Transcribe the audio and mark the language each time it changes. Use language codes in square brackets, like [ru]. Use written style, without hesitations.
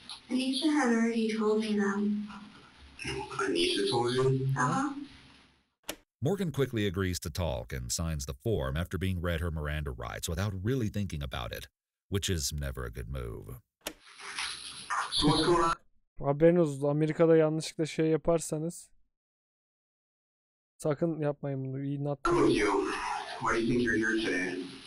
[en] Anisha had already told me them. Anisha told you? Morgan quickly agrees to talk and signs the form after being read her Miranda rights without really thinking about it, which is never a good move. So what's going on? [tr] Haberiniz olsun. Amerika'da yanlışlıkla şey yaparsanız sakın yapmayın bunu. İyi not. [en] Why do you think you're here today?